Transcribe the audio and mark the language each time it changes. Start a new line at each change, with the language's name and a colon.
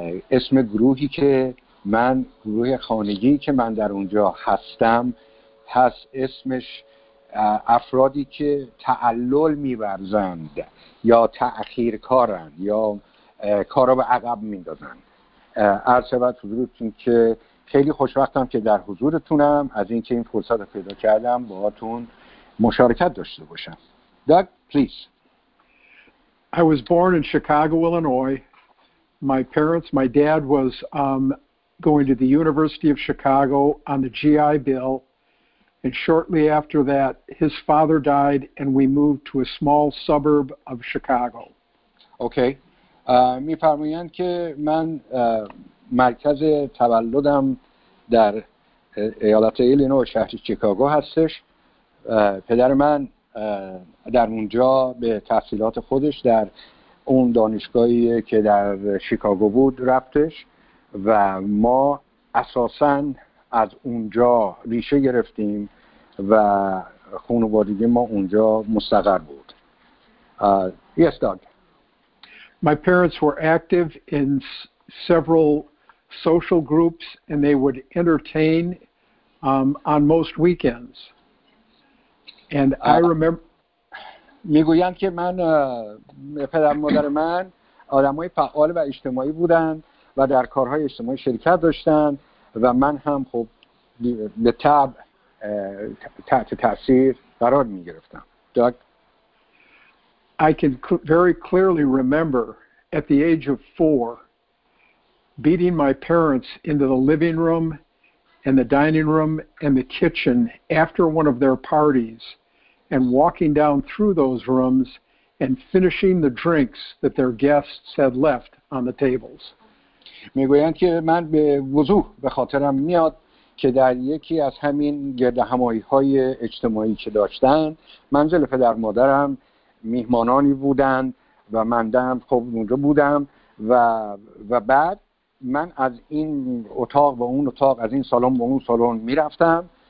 Persian: اسم گروهی که من، گروه خانگی که من در اونجا هستم، هست اسمش افرادی که تعلل می‌ورزند یا تأخیر کارند یا کارا به عقب می‌ندازند. عرض شود حضورتون که خیلی خوشوقتم که در حضورتونم، از اینکه این فرصت رو پیدا کردم باهاتون مشارکت داشته باشم.
English: Doug, please. I was born in Chicago, Illinois. My dad was going to the University of Chicago on the GI Bill, and shortly after that his father died and we moved to a small suburb of Chicago. Okay.
Persian: میفرمایند که من مرکز تولدم در ایالت ایلینو، شهر شیکاگو هستش. پدر من در اونجا به تحصیلات خودش در اون دانشگاهی که در شیکاگو بود رفتش و ما اساساً از اونجا ریشه گرفتیم و خانوادگی ما اونجا مستقر بود.
English: Yes, Doug. My parents were active in several social groups and they would entertain on most weekends. And I remember
Persian: میگویند که من، پدر مادر من آدم های فعال و اجتماعی بودند و در کارهای اجتماعی شرکت داشتند و من هم خب به طبع تحت تاثیر قرار می گرفتم.
English: Doug, I can very clearly remember at the age of 4 beating my parents into the living room and the dining room and the kitchen after one of their parties and walking down through those rooms and finishing the drinks that their guests had left on the tables.
Persian: میگویند که من به وضوح به خاطرم میاد که در یکی از همین گردهمایی‌های اجتماعی که داشتن، منزل پدر مادرم میهمانانی بودند و من هم خب اونجا بودم و بعد من از این اتاق به اون اتاق، از این سالن به اون سالن میرفتم